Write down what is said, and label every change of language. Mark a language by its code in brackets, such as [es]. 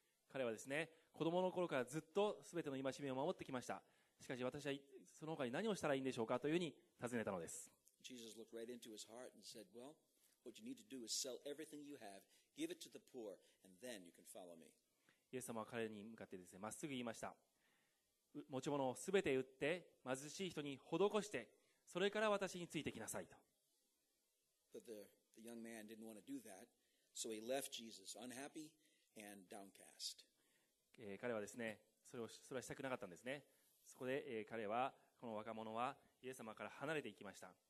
[ja] 彼はですね、子供の頃からずっとすべての戒めを守ってきました。しかし私はその他に何をしたらいいんでしょうかというふうに尋ねたのです。 [en] Jesus looked right into his heart and said, "Well, what you need to do is sell everything you have, give it to the poor, and then you can follow me." [ja] イエス様は彼に向かってですね、まっすぐ言いました。持ち物をすべて売って貧しい人に施して、それから私についてきなさいと。 [en] But the young man didn't want to do that, so he left Jesus unhappy and downcast. [ja] 彼はですね、それはしたくなかったんですね。そこで、彼はこの若者はイエス様から離れていきました。